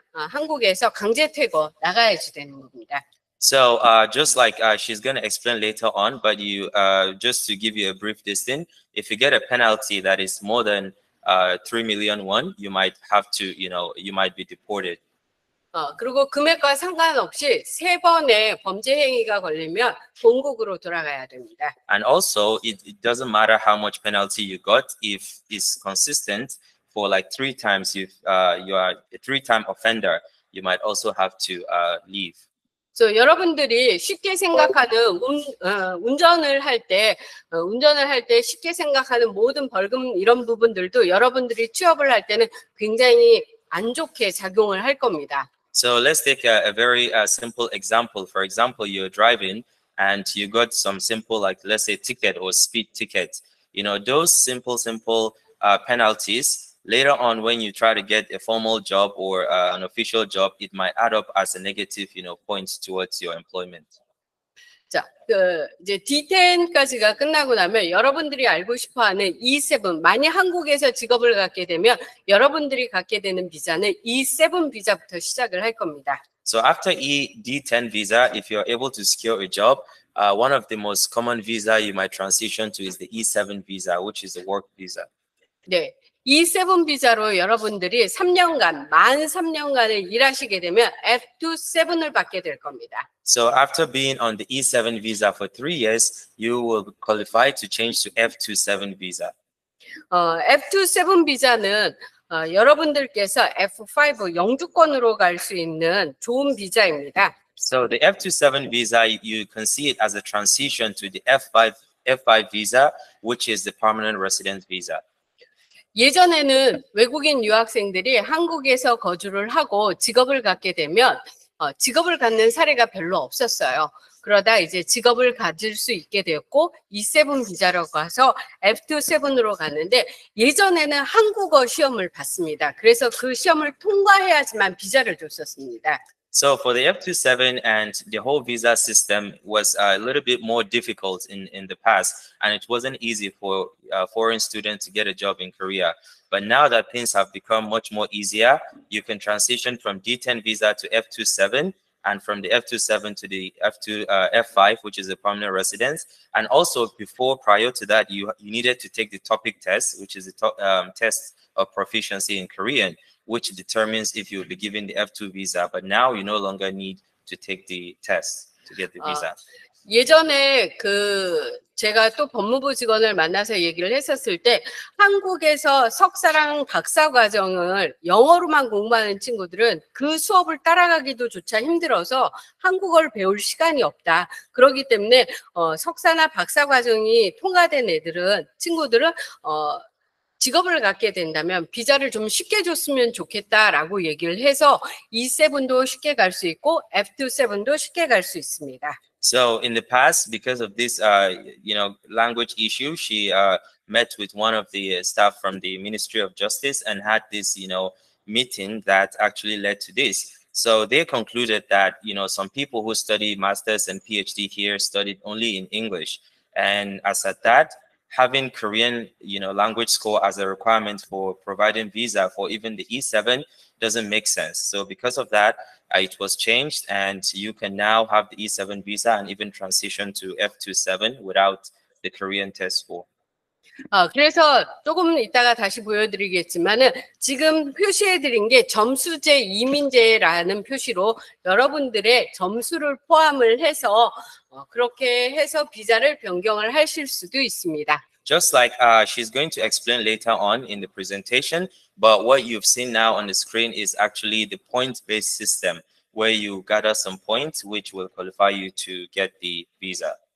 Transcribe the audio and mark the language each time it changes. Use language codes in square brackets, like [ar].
[ko] 한국에서 강제 퇴거 나가야지 되는 겁니다. [en] So just like she's going to explain later on, but you just to give you a brief distinct, if you get a penalty that is more than 3,000,000 won, you might have to, you know, you might be deported. [ko] 그리고 금액과 상관없이 세 번의 범죄 행위가 걸리면 본국으로 돌아가야 됩니다. [en] And also, it doesn't matter how much penalty you got if it's consistent for like three times. If you are a three-time offender, you might also have to leave. [ko] So 여러분들이 쉽게 생각하는 운전을 할 때 운전을 할 때 쉽게 생각하는 모든 벌금 이런 부분들도 여러분들이 취업을 할 때는 굉장히 안 좋게 작용을 할 겁니다. [en] So let's take a very simple example. For example, you're driving and you got some simple, like let's say ticket or speed ticket. You know, those simple penalties, later on when you try to get a formal job or an official job, it might add up as a negative, you know, points towards your employment. [ko] 자, 그 이제 D10까지가 끝나고 나면 여러분들이 알고 싶어하는 E7, 만약 한국에서 직업을 갖게 되면 여러분들이 갖게 되는 비자는 E7 비자부터 시작을 할 겁니다. [en] So after D10 visa, if you're able to secure a job, one of the most common visa you might transition to is the E7 visa, which is the work visa. [ko] 네. E7 비자로 여러분들이 3년간 만 3년간을 일하시게 되면 F27을 받게 될 겁니다. [en] So after being on the E7 visa for 3 years, you will qualify to change to F27 visa. [ko] F27 비자는 여러분들께서 F5 영주권으로 갈 수 있는 좋은 비자입니다. [en] So the F27 visa, you can see it as a transition to the F5 visa, which is the permanent resident visa. [ko] 예전에는 외국인 유학생들이 한국에서 거주를 하고 직업을 갖게 되면 직업을 갖는 사례가 별로 없었어요. 그러다 이제 직업을 가질 수 있게 되었고 E7 비자로 가서 F27으로 갔는데 예전에는 한국어 시험을 봤습니다. 그래서 그 시험을 통과해야지만 비자를 줬었습니다. [en] So for the F27 and the whole visa system was a little bit more difficult in the past, and it wasn't easy for foreign students to get a job in Korea. But now that things have become much more easier, you can transition from D10 visa to F27, and from the F27 to the F5, which is a permanent residence. And also before, prior to that, you needed to take the topic test, which is the test of proficiency in Korean, which determines if you'll be given the F2 visa, but now you no longer need to take the test to get the visa. [ko] 예전에 그 제가 또 법무부 직원을 만나서 얘기를 했었을 때 한국에서 석사랑 박사 과정을 영어로만 공부하는 친구들은 그 수업을 따라가기도조차 힘들어서 한국어를 배울 시간이 없다. 그러기 때문에 석사나 박사 과정이 통과된 애들은 친구들은 직업을 갖게 된다면 비자를 좀 쉽게 줬으면 좋겠다라고 얘기를 해서 E7도 쉽게 갈 수 있고 F27도 쉽게 갈 수 있습니다. [en] So in the past, because of this, you know, language issue, she met with one of the staff from the Ministry of Justice and had this, you know, meeting that actually led to this. So they concluded that, you know, some people who study masters and PhD here studied only in English, and as at that, having Korean, you know, language score as a requirement for providing visa for even the E7 doesn't make sense. So because of that, it was changed, and you can now have the E7 visa and even transition to F27 without the Korean test score. [ko] 그래서 조금 이따가 다시 보여드리겠지만은 지금 표시해드린 게 점수제 이민제라는 표시로 여러분들의 점수를 포함을 해서 그렇게 해서 비자를 변경을 하실 수도 있습니다. [en] Just like she's going to explain later on in the presentation, but what you've seen now on the screen is actually the point-based system where you gather some points which will qualify you to get the visa.